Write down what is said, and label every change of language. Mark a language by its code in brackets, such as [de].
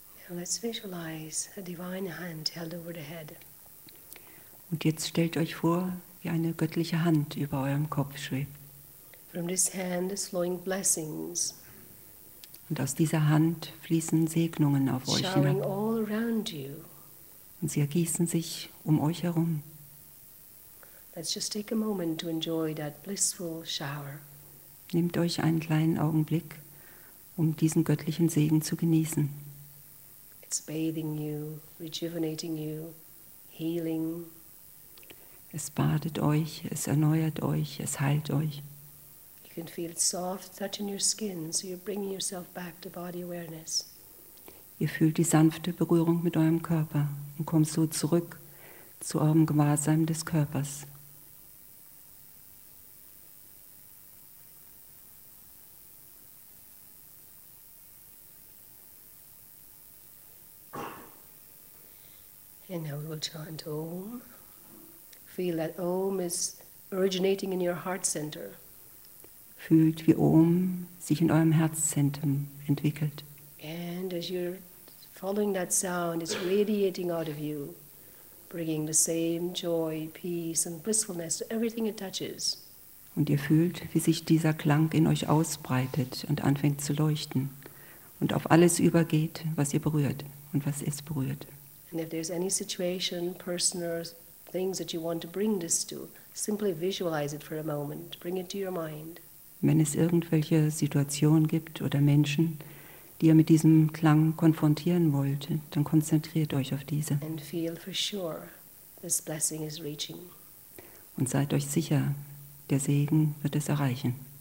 [en] Let's visualize a divine hand held over the head. [de] Und jetzt stellt euch vor, wie eine göttliche Hand über eurem Kopf schwebt. [en] From this hand is flowing blessings. [de] Und aus dieser Hand fließen Segnungen auf euch hinab. [en] Showering all around you. [de] Und sie ergießen sich um euch herum. [en] Let's just take a moment to enjoy that blissful shower. [de] Nehmt euch einen kleinen Augenblick, um diesen göttlichen Segen zu genießen. [en] It's bathing you, rejuvenating you, healing. [de] Es badet euch, es erneuert euch, es heilt euch. [en] You can feel it soft touching your skin, so you're bringing yourself back to body awareness. [de] Ihr fühlt die sanfte Berührung mit eurem Körper und kommt so zurück zu eurem Gewahrsein des Körpers. [en] And now we will chant Om. Feel that Om is originating in your heart center. [de] Fühlt, wie Om sich in eurem Herzzentrum entwickelt. [en] And as you're following that sound, it's radiating out of you, bringing the same joy, peace and blissfulness to everything it touches. [de] Und ihr fühlt, wie sich dieser Klang in euch ausbreitet und anfängt zu leuchten und auf alles übergeht, was ihr berührt und was es berührt. [en] And if there's any situation, person or things that you want to bring this to, simply visualize it for a moment, bring it to your mind. [de] Wenn es irgendwelche Situationen gibt oder Menschen, die ihr mit diesem Klang konfrontieren wollt, dann konzentriert euch auf diese. [en] And feel for sure this blessing is reaching. [de] Und seid euch sicher, der Segen wird es erreichen.